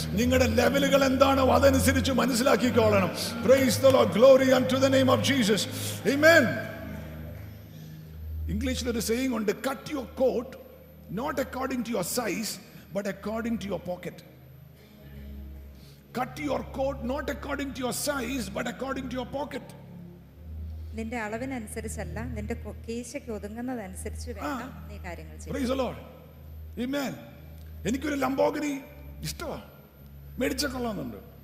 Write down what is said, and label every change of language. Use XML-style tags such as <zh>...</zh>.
<ml>നിങ്ങളുടെ ലെവലുകൾ എന്താണോ അതനുസരിച്ച് മനസ്സിലാക്കിക്കോളണം.</ml> <en>Praise the Lord. Glory unto the name of Jesus. Amen.</en> <ml>ഇംഗ്ലീഷിൽ ഒരു സെയിങ് ഉണ്ട്,</ml> <en>Cut your coat not according to your size but according to your pocket. Cut your coat not according to your size but according to your pocket.</en> <ml>നിന്റെ അളവിന് അനുസരിച്ചല്ല, നിന്റെ കേശയ്ക്ക് ഒതുങ്ങുന്നത് അനുസരിച്ച് വേണം നീ കാര്യങ്ങൾ ചെയ്യാൻ.</ml> <en>Praise the Lord. Amen.</en> <ml>എനിക്കൊരു ലംബോഗിനി ഇഷ്ടമാ, മേടിച്ചക്കൊള്ളാന്നുണ്ട്.</ml>